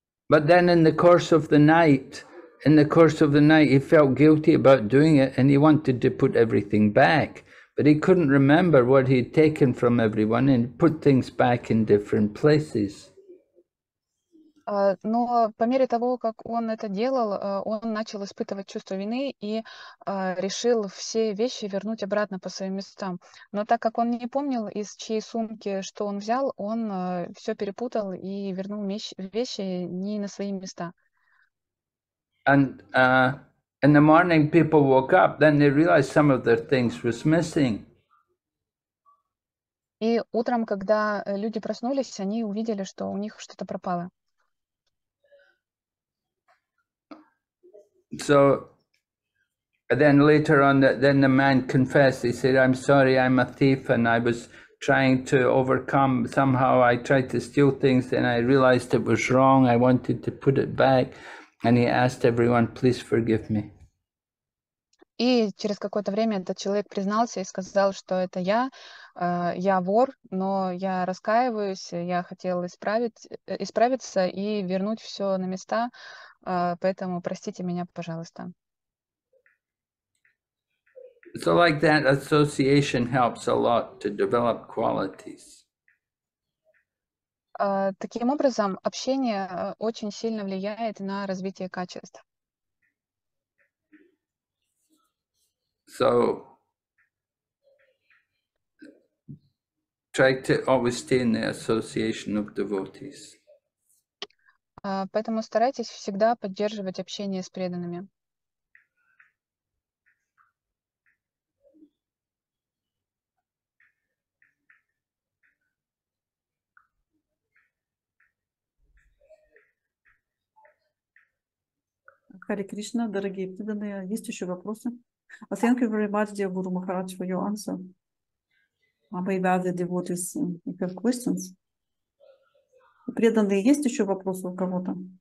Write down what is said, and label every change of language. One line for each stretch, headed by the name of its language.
English: But then in the course of the night, he felt guilty about doing it and he wanted to put everything back. But he couldn't remember what he'd taken from everyone and put things back in different places.
Russian: Но по мере того, как он это делал, он начал испытывать чувство вины и решил все вещи вернуть обратно по своим местам. Но так как он не помнил, из чьей сумки что он взял, он все перепутал и вернул вещи не на свои места.
English: And in the morning people woke up, then they realized some of their things was missing.
Russian: И утром, когда люди проснулись, они увидели, что у них что-то пропало.
English: So then later on, then the man confessed. He said, I'm sorry, I'm a thief, and I was trying to overcome. Somehow I tried to steal things, and I realized it was wrong. I wanted to put it back. And he asked everyone, please forgive me.
Russian: И через какое-то время этот человек признался и сказал, что это я вор, но я раскаиваюсь, я хотел исправиться и вернуть все на места, поэтому простите меня, пожалуйста.
English: So like that association helps a lot to develop qualities.
Russian: Таким образом, общение очень сильно влияет на развитие качеств.
English: So try to always stay in the association of devotees.
Russian: Поэтому старайтесь всегда поддерживать общение с преданными. Hare Krishna, дорогие преданные, есть еще вопросы?
English: Thank you very much, dear Guru Maharaj, for your answer. Maybe other devotees have questions.
Russian: Преданные, есть еще вопросы у кого-то?